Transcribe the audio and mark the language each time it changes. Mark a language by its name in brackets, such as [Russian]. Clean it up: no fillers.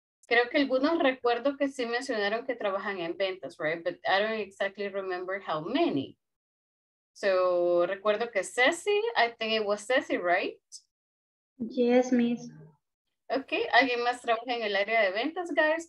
[Spanish] Creo que algunos recuerdo que sí mencionaron que trabajan en ventas, right? [English] But I don't exactly remember how many. So, [Spanish] recuerdo que [English] Ceci, I think it was Ceci, right? Yes, miss. [Spanish] Okay, ¿alguien más trabaja en el área de ventas, guys?